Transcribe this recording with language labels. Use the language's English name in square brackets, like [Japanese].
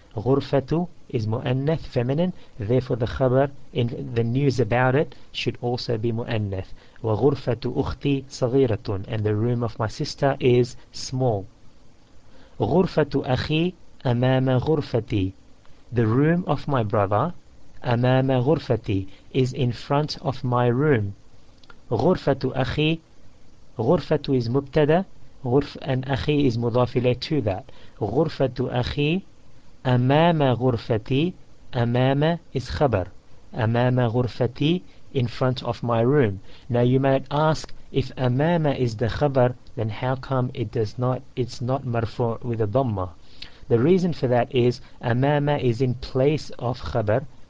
[English] غُرْفَةُ is مُؤَنَّث, feminine, therefore the khabar in the news about it should also be مُؤَنَّث. [Arabic] وغرفة أختي صغيرة, [English] and the room of my sister is small. [Arabic] غرفة أخي أمام غرفتي. [English] The room of my brother, [Arabic] أمام غرفتي, [English] is in front of my room. [Arabic] غرفة أخي, غرفة is مبتدا, غرف and أخي is مضاف إليه to that. غرفة أخي أمام غرفتي. [English] أمام is خبر. [Arabic] أمام غرفتي, [English] in front of my room. Now you might ask, If amama is the khabar, then how come it does not, it's not marfu with a dhamma? The reason for that is amama is in place of khabar.